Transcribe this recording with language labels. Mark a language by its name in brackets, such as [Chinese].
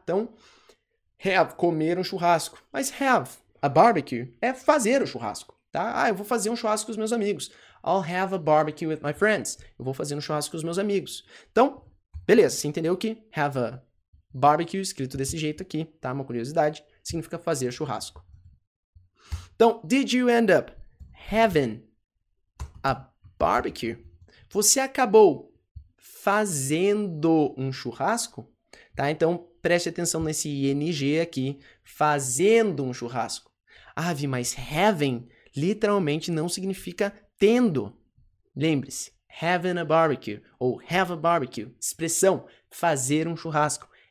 [Portuguese] Então, have, comer um churrasco. Mas [English] have a barbecue [Portuguese] é fazer o churrasco, tá? Ah, eu vou fazer um churrasco com os meus amigos. [English] I'll have a barbecue with my friends. [Portuguese] Eu vou fazer um churrasco com os meus amigos. Então, beleza, você entendeu que [English] have a barbecue, [Portuguese] escrito desse jeito aqui, tá? Uma curiosidade, significa fazer churrasco. Então, [English] did you end up having a barbecue? [Portuguese] Você acabou fazendo um churrasco? Tá? Então, preste atenção nesse ing aqui, fazendo um churrasco. Ah, Vi, mas having literalmente não significa tendo. Lembre-se, [English] having a barbecue [Portuguese] ou [English] have a barbecue, [Portuguese] expressão fazer um churrasco.